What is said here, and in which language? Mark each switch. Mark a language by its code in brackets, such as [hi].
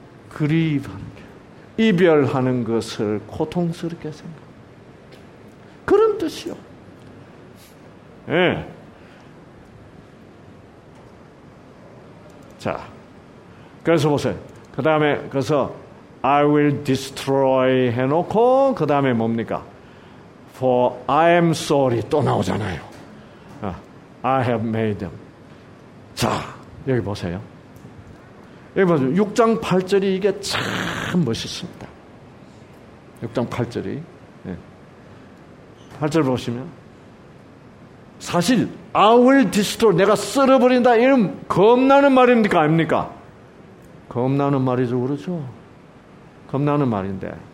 [ko] 그리워하는 게 이별하는 것을 고통스럽게 생각. 그런 뜻이요. 예. 자, 그래서 보세요. 그 다음에, 그래서, [en] I will destroy [ko] 해놓고, 그 다음에 뭡니까? [en] For I am sorry. [ko] 또 나오잖아요. [en] I have made them. [ko] 자, 여기 보세요. 여기 보세요. 6장 8절이 이게 참 멋있습니다. 6장 8절이. 8절 보시면. 사실, [en] I will destroy, [ko] 내가 쓸어버린다. 이런 겁나는 말입니까? 아닙니까? 겁나는 말이죠. 그렇죠? 겁나는 말인데.